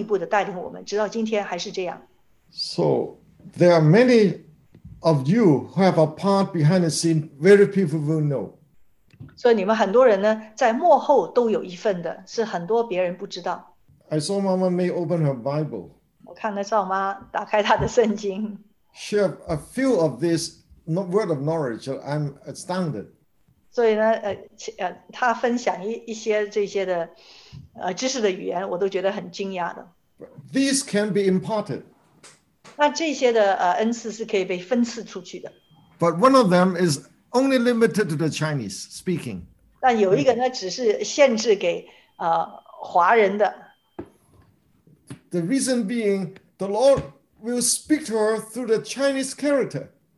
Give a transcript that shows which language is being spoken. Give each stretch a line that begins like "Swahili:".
Chinese: 所以呢，我们就是呢，每次就是呢，来聚集等候神，他就一步一步的带领我们，直到今天还是这样。
English: So there are many of you who have a part behind the scene. Very people will know.
Chinese: 所以你们很多人呢，在幕后都有一份的，是很多别人不知道。
English: I saw Mama May open her Bible.
Chinese: 我看到赵妈打开她的圣经。
English: She have a few of this word of knowledge. I'm astounded.
Chinese: 所以呢，她分享一些这些的知识的语言，我都觉得很惊讶的。
English: These can be imparted.
Chinese: 那这些的恩赐是可以被分赐出去的。
English: But one of them is only limited to the Chinese speaking.
Chinese: 但有一个呢，只是限制给华人的。
English: The reason being, the Lord will speak to her through the Chinese character.